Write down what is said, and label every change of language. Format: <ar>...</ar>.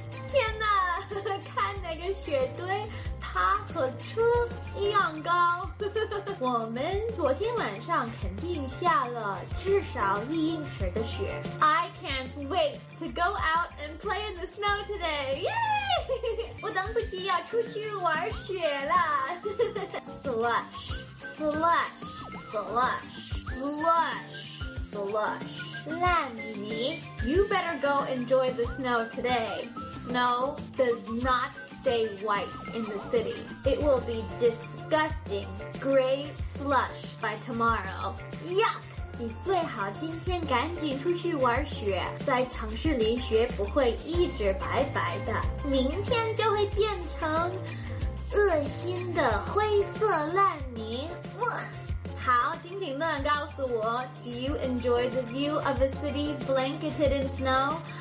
<zh>天哪，看那个雪堆，它和车一样高。我们昨天晚上肯定下了至少1英尺的雪。</zh> <en>I can't wait to go out and play in the snow today. Yay!</en> <zh>我等不及要出去玩雪了。</zh> <en>Slush, slush, slush, slush, slush.</en> <zh>烂泥。</zh> <en>You better go enjoy the snow today. Snow does not stay white in the city. It will be disgusting gray slush by tomorrow. Yuck!</en> <zh>你最好今天赶紧出去玩雪，在城市里雪不会一直白白的，明天就会变成恶心的灰色烂泥。好，请评论告诉我</zh> <en>Do you enjoy the view of a city blanketed in snow?</en>